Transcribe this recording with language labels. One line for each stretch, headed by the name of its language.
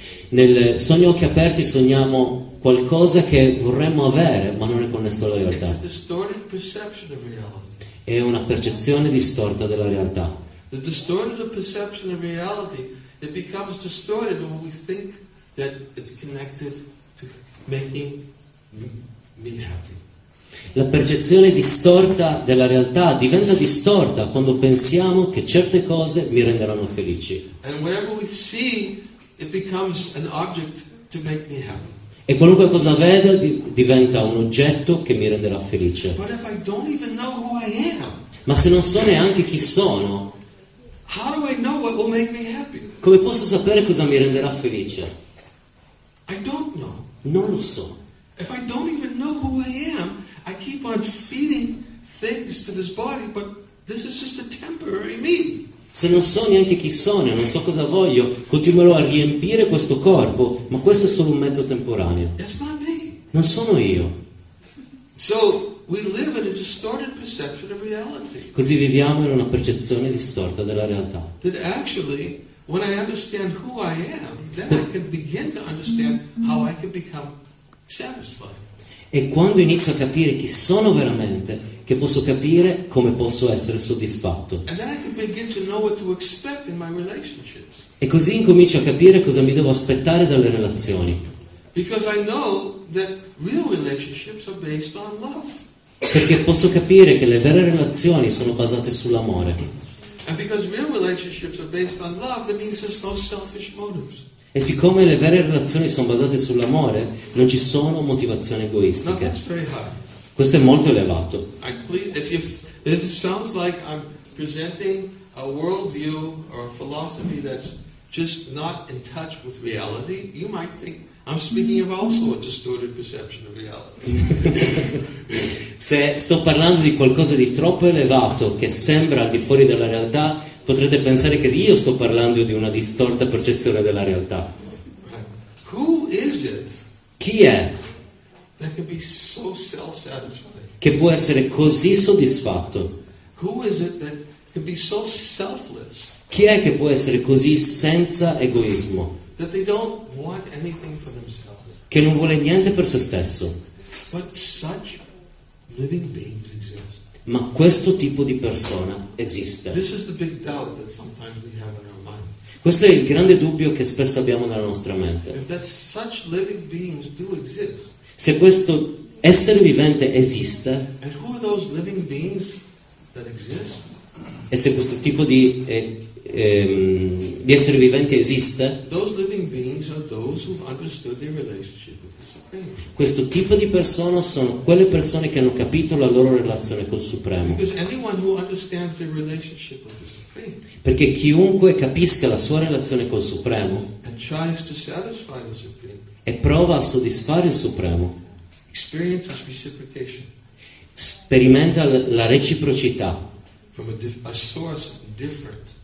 Italian: Nel sogno occhi aperti sogniamo qualcosa che vorremmo avere, ma non è connesso alla realtà.
English: It's a distorted perception of reality.
Italian: È una percezione distorta della realtà.
English: The distorted perception of reality, it becomes distorted when we think that it's connected to making me happy.
Italian: La percezione distorta della realtà diventa distorta quando pensiamo che certe cose mi renderanno felici.
English: And whatever we see, it becomes an object to make me happy.
Italian: E qualunque cosa vedo diventa un oggetto che mi renderà felice.
English: But if I don't even know who I am,
Italian: ma se non so neanche chi sono,
English: how do I know what will make me happy?
Italian: Come posso sapere cosa mi renderà felice?
English: I don't know.
Italian: Non lo so.
English: If I don't even know who I am, I keep on feeding things to this body, but this is just a temporary me.
Italian: Se non so neanche chi sono, non so cosa voglio, continuerò a riempire questo corpo, ma questo è solo un mezzo temporaneo.
English: It's not me.
Italian: Non sono io.
English: So we live in a distorted perception of reality.
Italian: Così viviamo in una percezione distorta della realtà.
English: That actually, when I understand who I am, then I can begin to understand how I can become satisfied.
Italian: E quando inizio a capire chi sono veramente, che posso capire come posso essere soddisfatto.
English: And then I can begin to know what to expect in my relationships.
Italian: E così incomincio a capire cosa mi devo aspettare dalle relazioni.
English: Because I know that real relationships are based on love.
Italian: Perché posso capire che le vere relazioni sono basate sull'amore.
English: And because real relationships are based on love, that means there's no selfish motives.
Italian: E siccome le vere relazioni sono basate sull'amore, non ci sono motivazioni egoistiche.
English: Now that's very hard.
Italian: Questo è molto elevato.
English: It sounds like I'm presenting a worldview or a philosophy that's just not in touch with reality. You might think I'm speaking of also a distorted perception of reality.
Italian: Se sto parlando di qualcosa di troppo elevato che sembra al di fuori della realtà, potrete pensare che io sto parlando di una distorta percezione della realtà.
English: Who is it?
Italian: Chi è?
English: That can be so self-satisfied.
Italian: Che può essere così soddisfatto.
English: Who is it that can be so selfless?
Italian: Chi è che può essere così senza egoismo?
English: That they don't want anything for themselves.
Italian: Che non vuole niente per se stesso.
English: But such living beings exist.
Italian: Ma questo tipo di persona esiste.
English: This is the big doubt that sometimes we have in our mind.
Italian: Questo è il grande dubbio che spesso abbiamo nella nostra mente.
English: If that such living beings do exist.
Italian: Se questo essere vivente esiste,
English: and who are those living beings that exist?
Italian: E se questo tipo di essere vivente esiste,
English: those living beings are those who've understood their relationship with the Supreme.
Italian: Questo tipo di persone sono quelle persone che hanno capito la loro relazione col Supremo.
English: Because anyone who understands their relationship with the Supreme.
Italian: Perché chiunque capisca la sua relazione col Supremo
English: and tries to satisfy the Supreme.
Italian: E prova a soddisfare il Supremo.
English: Experiences reciprocation.
Italian: Sperimenta la reciprocità.
English: From a source different.